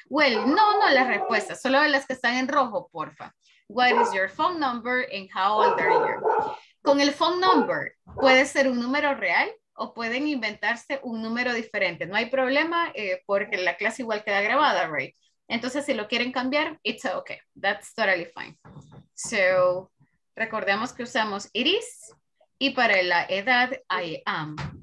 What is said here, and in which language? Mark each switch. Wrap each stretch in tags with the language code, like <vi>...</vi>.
<es>Well, no las respuestas, solo las que están en rojo, porfa.</es> <en>What is your phone number and how old are you?</en> <es>Con el phone number, ¿puede ser un número real? O pueden inventarse un número diferente. No hay problema porque la clase igual queda grabada, right? Entonces, si lo quieren cambiar,</es> <en>it's okay. That's totally fine.</en> <es>So, recordemos que usamos</es> <en>it is.</en> <es>Y para la edad,</es> <en>I am.</en>